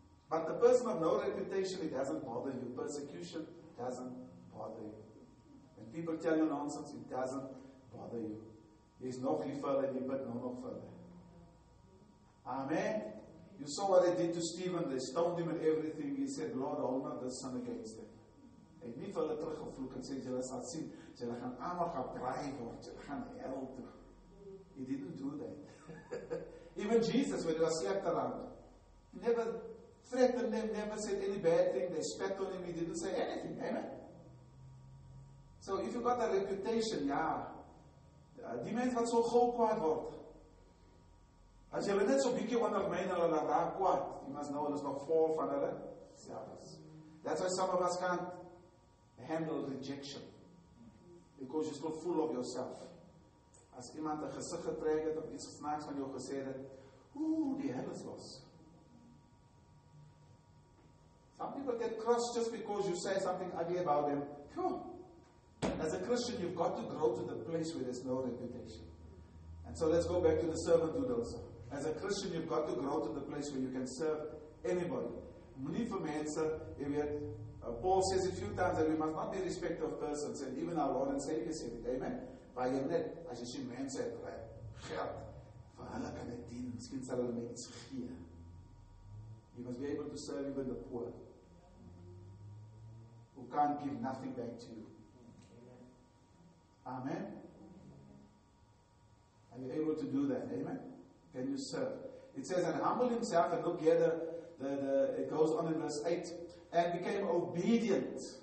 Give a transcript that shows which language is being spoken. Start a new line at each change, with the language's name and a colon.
English: But the person of no reputation, it doesn't bother you. Persecution doesn't bother you. When people tell you nonsense, it doesn't bother you.
Afrikaans: Jy is nog nie verder, jy bid nog verder. Amen.
English: You saw what they did to Stephen, they stoned him and everything. He said, Lord, hold not this son against him. He had not further
Afrikaans: teruggevloek
English: and said,
Afrikaans: Jylle sal sien, Jylle gaan allemaal gebraaid word, Jylle gaan hell toe.
English: He didn't do that. Even Jesus, when he was slept around, he never threatened them, never said any bad thing. They spat on him. He didn't say anything. Amen. So if you've got that reputation, yeah.
Afrikaans: Die mens wat so gauw kwaad word. As jy net so bietjie ondermyn hulle dan raak kwaad.
English: You must know
Afrikaans: hulle is nog vol van hulle selfs.
English: That's why some of us can't handle rejection. Because you're still full of yourself.
Afrikaans: As iemand 'n gesig getrek het of iets snaaks van jou gesê het, ooh, die hele is los.
English: Some people get crushed just because you say something ugly about them. As a Christian, you've got to grow to the place where there's no reputation. And so let's go back to the servant who does. As a Christian, you've got to grow to the place where you can serve anybody.
Afrikaans: Moenie vir mense, jy weet,
English: Paul says a few times that we must not be respected of persons, and even our Lord and Savior said it, amen.
Afrikaans: By your net, as jy sien mense het geld, vir hulle kan jy dien, miskien sal hulle net iets gee.
English: You must be able to serve even the poor, who can't give nothing back to you. Amen. Are you able to do that? Amen. Can you serve? It says, and humble himself, and look here, it goes on in verse 8, and became obedient.